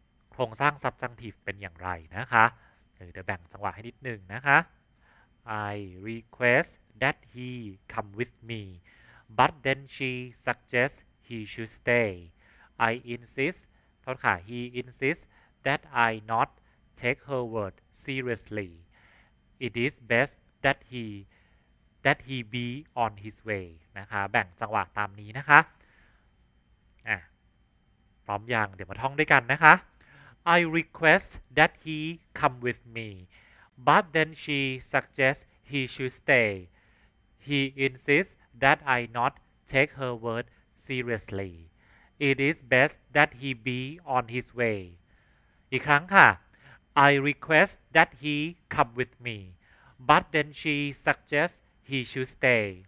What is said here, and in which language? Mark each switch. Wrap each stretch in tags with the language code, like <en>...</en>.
<th>โครงสร้าง subjunctive เป็นอย่างไรนะคะเดี๋ยวแบ่งจังหวะให้นิดนึงนะคะ</th> <en>I request that he come with me but then she suggests he should stay I insistHe insists that I not take her word seriously. It is best that he be on his way.</en> <th>นะคะแบ่งจังหวะตามนี้นะคะพร้อมยังเดี๋ยวมาท่องด้วยกันนะคะ</th> <en>I request that he come with me, but then she suggests he should stay. He insists that I not take her word seriously. It is best that he be on his way.</en> <th>อีกครั้งค่ะ</th> <en>I request that he come with me, but then she suggests he should stay.</en>